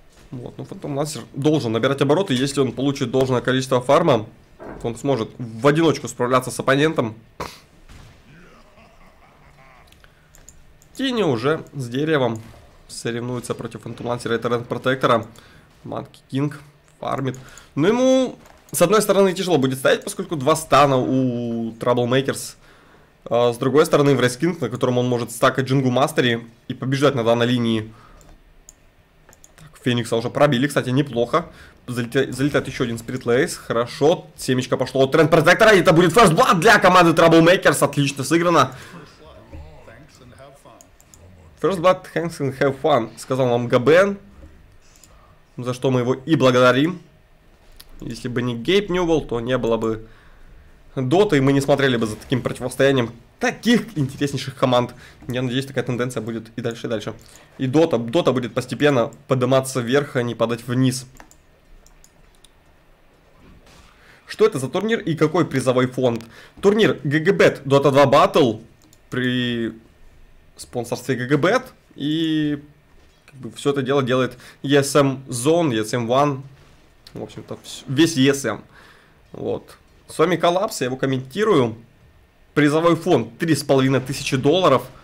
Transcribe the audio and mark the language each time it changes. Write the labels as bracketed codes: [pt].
[ru] Вот, ну, Phantom Lancer должен набирать обороты, если он получит должное количество фарма. Он сможет в одиночку справляться с оппонентом. Тини уже с деревом соревнуется против Phantom Lancer и Torrent Protector. Monkey King фармит. Но ему, с одной стороны, тяжело будет ставить, поскольку два стана у Troublemakers. А с другой стороны, Wraith King, на котором он может стакать Джингу Мастери и побеждать на данной линии. Так, Феникса уже пробили, кстати, неплохо. Залетает еще один Spirit Lace. Хорошо, семечко пошло от Trend Protector. И это будет First Blood для команды Troublemakers. Отлично сыграно. [en] First Blood, thanks and have fun. [ru] Сказал нам Габен, за что мы его и благодарим. Если бы не Gabe Newell, то не было бы Dota, и мы не смотрели бы за таким противостоянием таких интереснейших команд. Я надеюсь, такая тенденция будет и дальше, и дальше. И Dota будет постепенно подниматься вверх, а не падать вниз. Что это за турнир и какой призовой фонд? Турнир GGBet Dota 2 Battle при спонсорстве GGBet. И как бы все это дело делает ESM Zone, ESM One. В общем-то, весь ESM. Вот. С вами Коллапс, я его комментирую. Призовой фонд $3500.